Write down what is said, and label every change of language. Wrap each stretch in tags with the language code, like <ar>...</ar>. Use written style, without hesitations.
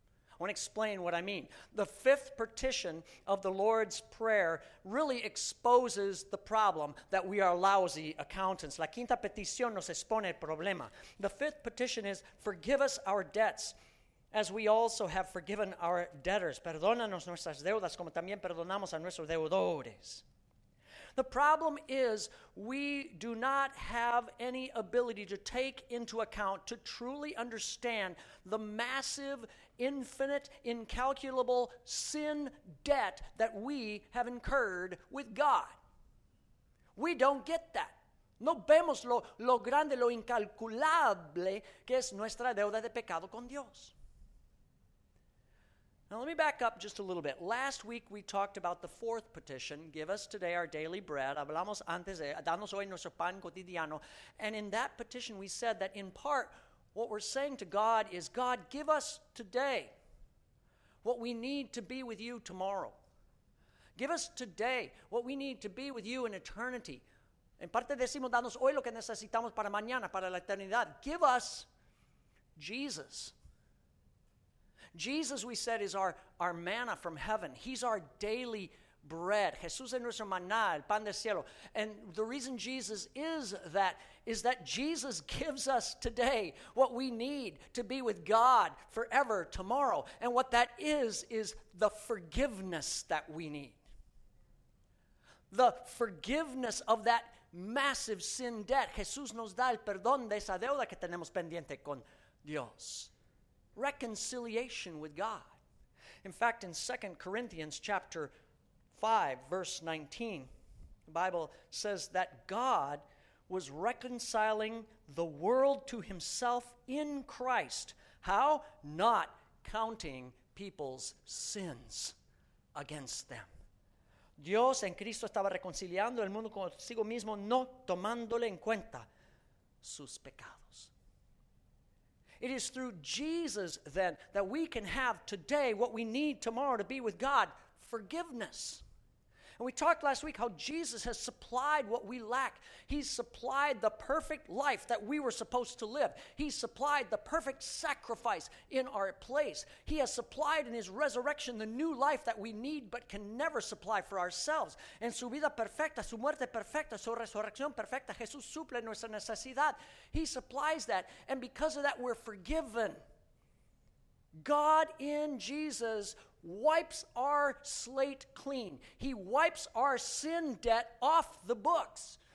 <en>I want to explain what I mean. The fifth petition of the Lord's Prayer really exposes the problem that we are lousy accountants.</en> <es>La quinta petición nos expone el problema.</es> <en>The fifth petition is, forgive us our debts, as we also have forgiven our debtors.</en> <es>Perdónanos nuestras deudas, como también perdonamos a nuestros deudores.</es> <en>The problem is we do not have any ability to take into account, to truly understand the massive, infinite, incalculable sin debt that we have incurred with God. We don't get that.</en> <es>No vemos lo grande, lo incalculable que es nuestra deuda de pecado con Dios.</es> <en>Now, let me back up just a little bit. Last week, we talked about the fourth petition, give us today our daily bread.</en> <es>Hablamos antes de, danos hoy nuestro pan cotidiano.</es> <en>And in that petition, we said that in part, what we're saying to God is, God, give us today what we need to be with you tomorrow. Give us today what we need to be with you in eternity.</en> <es>En parte decimos, danos hoy lo que necesitamos para mañana, para la eternidad.</es> <en>Give us Jesus. Jesus, we said, is our manna from heaven. He's our daily bread.</en> <es>Jesús es nuestro maná, el pan del cielo.</es> <en>And the reason Jesus is that Jesus gives us today what we need to be with God forever tomorrow. And what that is the forgiveness that we need. The forgiveness of that massive sin debt.</en> <es>Jesús nos da el perdón de esa deuda que tenemos pendiente con Dios.</es> <en>Reconciliation with God. In fact, in 2 Corinthians chapter 5, verse 19, the Bible says that God was reconciling the world to himself in Christ. How? Not counting people's sins against them.</en> <es>Dios en Cristo estaba reconciliando el mundo consigo mismo, no tomándole en cuenta sus pecados.</es> <en>It is through Jesus, then, that we can have today what we need tomorrow to be with God, forgiveness. And we talked last week how Jesus has supplied what we lack. He's supplied the perfect life that we were supposed to live. He's supplied the perfect sacrifice in our place. He has supplied in his resurrection the new life that we need but can never supply for ourselves.</en> <es>En su vida perfecta, su muerte perfecta, su resurrección perfecta, Jesús suple nuestra necesidad.</es> <en>He supplies that, and because of that, we're forgiven. God in Jesus wipes our slate clean. He wipes our sin debt off the books.</en>